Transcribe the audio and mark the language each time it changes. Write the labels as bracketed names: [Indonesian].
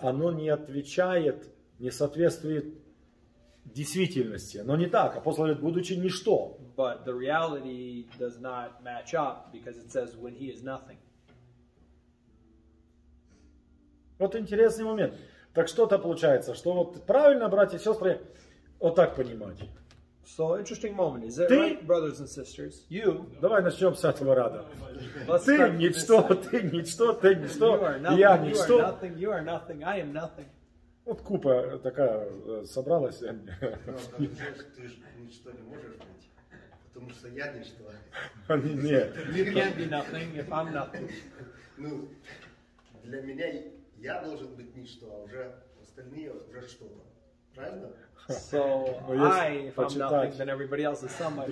[Russian] Оно не отвечает, не соответствует действительности. Но не так. Апостол говорит, будучи ничто. [English] But the reality does not match up because it says when he is nothing. [Russian] Вот интересный момент. Так что-то получается, что вот правильно, братья и сестры, вот так понимать. [English] So interesting moment. Is it right, brothers and sisters? You. [Russian] Давай начнем с этого рада. Ты ничто, я ничто. [English] You are nothing, you are nothing, I am nothing. [Russian] Вот купа такая собралась. Ты же ничто не можешь быть. Потому что я ничто. Нет. [English] You can't be nothing if I'm nothing. [Russian] Ну, для меня я должен быть ничто, а уже остальные уже что-то. [English] So I, if I'm nothing, then everybody else is somebody.